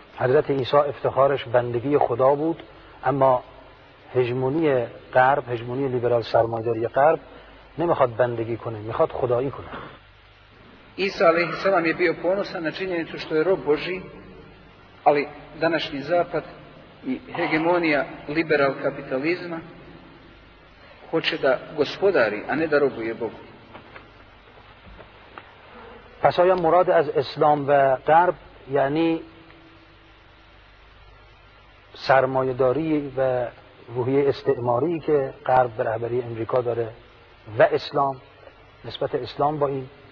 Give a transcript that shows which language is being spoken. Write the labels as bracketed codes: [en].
[fa] حضرت عیسی افتخارش بندگی خدا بود، اما هژمونی غرب، هژمونی لیبرال سرمایه‌داری غرب نمیخواد بندگی کنه، میخواد خدایی کنه. عیسی علیه السلام [bs] je bio ponosan na činjenicu što je rob Boži, ali današnji zapad i hegemonija liberal kapitalizma hoće da gospodari, a ne da robuje Bogu. [fa] پس آیا مراد از اسلام و غرب یعنی سرمایه‌داری و روحیه استعماری که غرب به رهبری امریکا داره و اسلام، نسبت اسلام با این